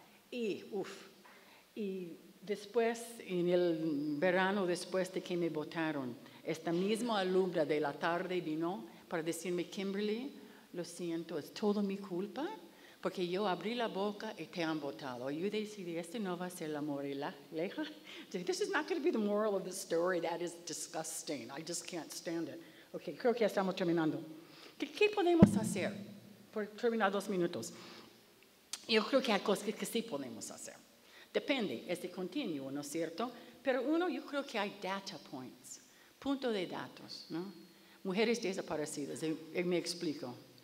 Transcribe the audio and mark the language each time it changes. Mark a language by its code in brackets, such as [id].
[es] Y después, en el verano, después de que me votaron, esta misma alumna de la tarde vino para decirme, Kimberly, lo siento, es todo mi culpa. Porque yo abrí la boca y te han votado. Yo decidí, este no va a ser la moral. [en] This is not going to be the moral of the story. That is disgusting. I just can't stand it. [es] Ok, creo que ya estamos terminando. ¿Qué podemos hacer? Por terminar 2 minutos. Yo creo que hay cosas que sí podemos hacer. Depende, es de continuo, ¿no es cierto? Pero uno, yo creo que hay data points. Punto de datos, ¿no? Mujeres desaparecidas, me explico.